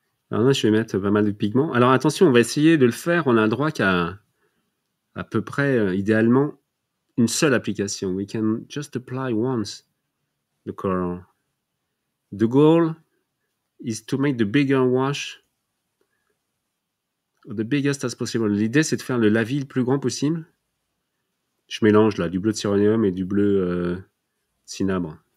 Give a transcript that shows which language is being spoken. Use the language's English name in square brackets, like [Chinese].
[French] Alors là, je vais mettre pas mal de pigments. Alors attention, on va essayer de le faire. On a le droit qu'à à peu près, idéalement, une seule application. [English] We can just apply once the color. The goal is to make the bigger wash, the biggest as possible. [French] L'idée, c'est de faire le lavis le plus grand possible. Je mélange là du bleu de cyrénium et du bleu cinabre.